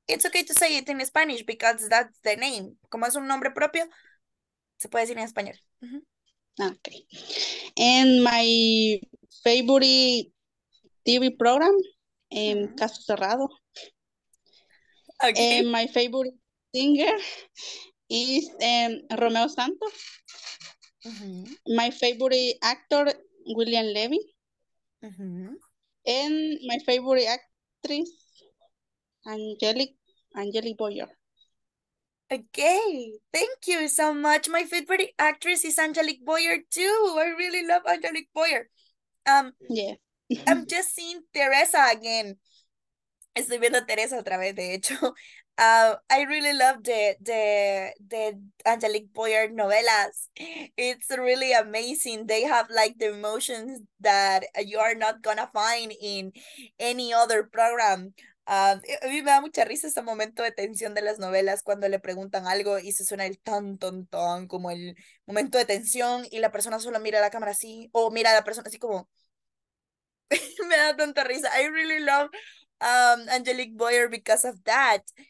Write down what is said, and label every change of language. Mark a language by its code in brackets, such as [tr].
[en] It's okay to say it in Spanish because that's the name. [es] Como es un nombre propio, se puede decir en español. [en] Mm-hmm. Okay. And my favorite TV program, Caso Cerrado. Okay. My favorite singer is Romeo Santos. Mm-hmm. My favorite actor, William Levy. Mm-hmm. And my favorite actress, Angelic Boyer. Okay, thank you so much. My favorite actress is Angelic Boyer too. I really love Angelic Boyer. Yeah. I'm just seeing Teresa again. [es] Estoy viendo a Teresa otra vez, de hecho. [en] I really love the Angelic Boyer novelas. It's really amazing. They have like the emotions that you are not gonna find in any other program. [es] A mí me da mucha risa ese momento de tensión de las novelas cuando le preguntan algo y se suena el tan, ton, ton, como el momento de tensión y la persona solo mira a la cámara así, o mira a la persona así como... Me da tanta risa. [en] I really love Angelique Boyer because of that.